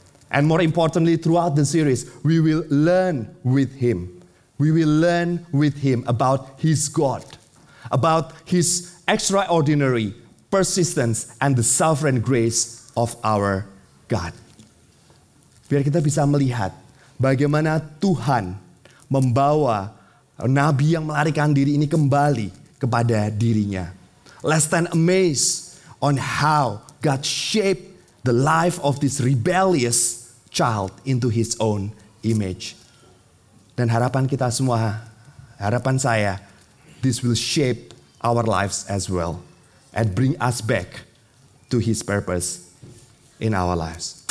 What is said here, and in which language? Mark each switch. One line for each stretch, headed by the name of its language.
English: And more importantly, throughout the series, we will learn with him. We will learn with him about his God, about his extraordinary persistence and the sovereign grace of our God.
Indonesian: Biar kita bisa melihat bagaimana Tuhan membawa nabi yang melarikan diri ini kembali kepada dirinya.
English: Let's stand amazed on how God shaped the life of this rebellious child into his own image.
Indonesian: Dan harapan kita semua, harapan saya,
English: this will shape our lives as well and bring us back to his purpose in our lives.